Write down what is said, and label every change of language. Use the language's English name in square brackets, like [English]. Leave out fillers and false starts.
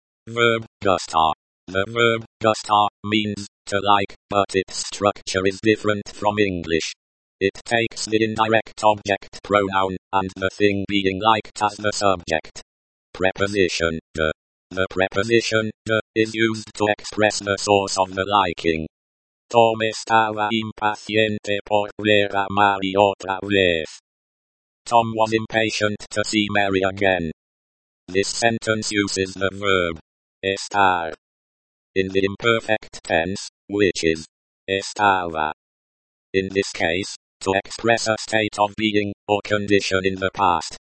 [English] Verb, gustar. The verb, gustar, means, to like, but its structure is different from English. It takes the indirect object pronoun, and the thing being liked as the subject. Preposition, the. The preposition, the, is used to express the source of the liking. [Spanish] Tom estaba impaciente por ver a Mary otra vez. [English] Tom was impatient to see Mary again. This sentence uses the verb estar in the imperfect tense, which is estaba. In this case, to express a state of being or condition in the past.